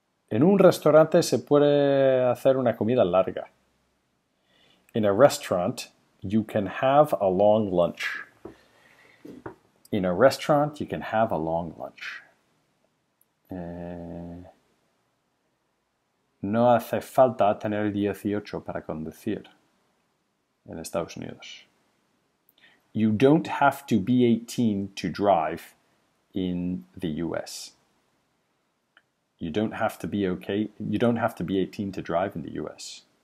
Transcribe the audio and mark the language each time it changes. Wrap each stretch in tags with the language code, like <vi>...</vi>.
<es>En un restaurante se puede hacer una comida larga.</es> <en>In a restaurant, you can have a long lunch. In a restaurant, you can have a long lunch.</en> <es>No hace falta tener 18 para conducir en Estados Unidos.</es> <en>You don't have to be 18 to drive in the US. You don't have to be okay. You don't have to be 18 to drive in the US.</en>